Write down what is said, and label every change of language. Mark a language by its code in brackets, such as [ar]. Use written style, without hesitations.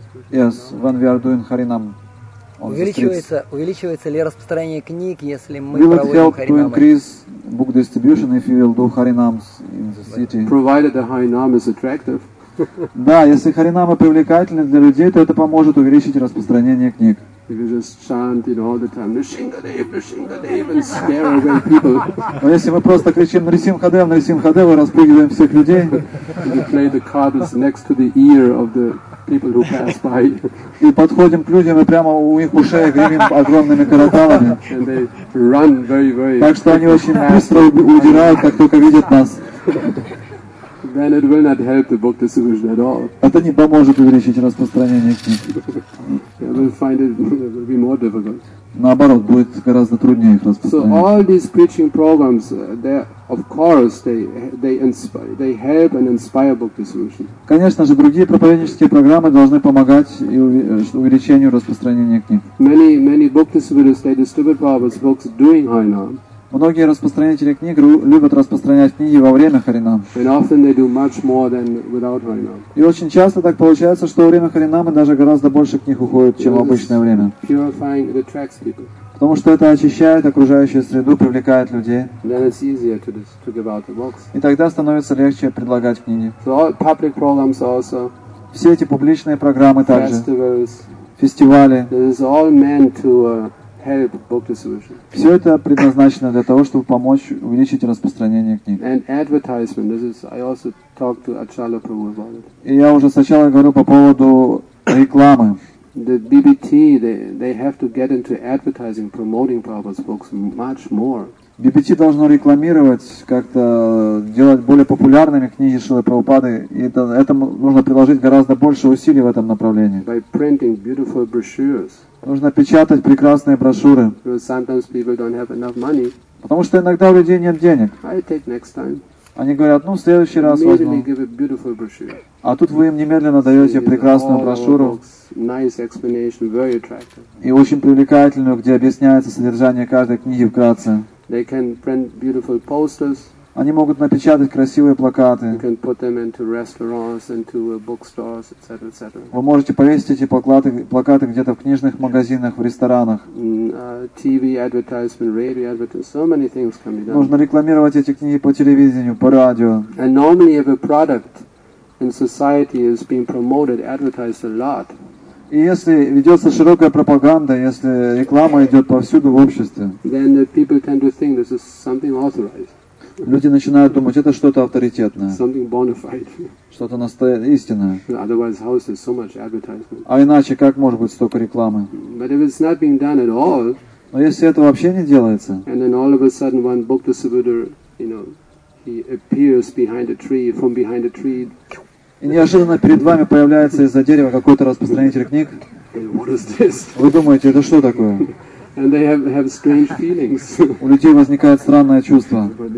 [en] Yes, when we are doing harinam on the streets. [ru] Увеличивается ли распространение книг, если мы проводим харинамы? [en] Will it help to increase book distribution if you will do harinams in the city? Provided the harinam is attractive. [ru] Да, если харинамы привлекательны для людей, то это поможет увеличить распространение книг. [en] If you just chant it all the time, Nrisimhadev, and scare away people. [ru] Но если мы просто кричим Нрисимхадев, Нрисимхадев, и распугиваем всех людей. [en] You play the cards next to the ear of the people who pass by. [ru] И подходим к людям и прямо у их ушей гремим огромными караталами. [en] And they run very, very. [ru] Так что они очень быстро удирают, как только видят нас. [en] Then it will not help the book distribution at all. [ru] Это не поможет увеличить распространение книг. [en] You will find it will be more difficult. [ru] Наоборот, будет гораздо труднее их распространять. [en] So all these preaching programs, they help and inspire book distribution. [ru] Конечно же, другие проповеднические программы должны помогать и увеличению распространения книг. [en] Many book distributors, they distribute Prabhupada's books during harinam. [ru] Многие распространители книг любят распространять книги во время харинам. [en] And often they do much more than without harinam. [ru] И очень часто так получается, что во время харинама даже гораздо больше книг уходит, чем в обычное время. [en] Purifying it attracts people. [ru] Потому что это очищает окружающую среду, привлекает людей. [en] Then it's easier to give out the books. [ru] И тогда становится легче предлагать книги. [en] So all public programs also, [ru] все эти публичные программы также, [en] festivals, [ru] фестивали, [en] this is all meant to, help book distribution. [ru] Все это предназначено для того, чтобы помочь увеличить распространение книг. [en] And advertisement. This is. I also talked to Achala Prabhu about it. [ru] И я уже сначала говорю по поводу рекламы. [en] The BBT, they have to get into advertising, promoting Prabhupada's books much more. [ru] BPT должно рекламировать, как-то делать более популярными книги Шрилы Прабхупады, и это нужно приложить гораздо больше усилий в этом направлении. [en] By printing beautiful brochures. [ru] Нужно печатать прекрасные брошюры. [en] Because sometimes people don't have enough money. [ru] Потому что иногда у людей нет денег. [en] I take next time. [ru] Они говорят, ну, в следующий раз [en] immediately [ru] возьму. [en] Give a beautiful brochure. [ru] А тут вы им немедленно даете прекрасную брошюру. [en] Nice explanation, very attractive. [ru] И очень привлекательную, где объясняется содержание каждой книги вкратце. [en] They can print beautiful posters. [ru] Они могут напечатать красивые плакаты. [en] You can put them into restaurants, into bookstores, etc., etc. [ru] Вы можете повесить эти плакаты где-то в книжных магазинах, в ресторанах. [en] TV advertisement, radio advertisement, so many things can be done. [ru] Нужно рекламировать эти книги по телевидению, по радио. [en] And normally, if a product in society is being promoted, advertised a lot. [ru] И если ведется широкая пропаганда, если реклама идет повсюду в обществе, [en] then the people tend to think this is something authorized. [ru] Люди начинают думать, это что-то авторитетное, [en] something bona fide. [ru] Что-то настоящее, истинное. [en] Otherwise, how is there so much advertisement? [ru] А иначе как может быть столько рекламы? [en] But if it's not being done at all, [ru] но если это вообще не делается, [en] and then all of a sudden one book distributor, you know, he appears behind a tree, from behind a tree. [ru] И неожиданно перед вами появляется из-за дерева какой-то распространитель книг. Вы думаете, это что такое? [en] And they have strange feelings. [ru] У людей возникает странное чувство.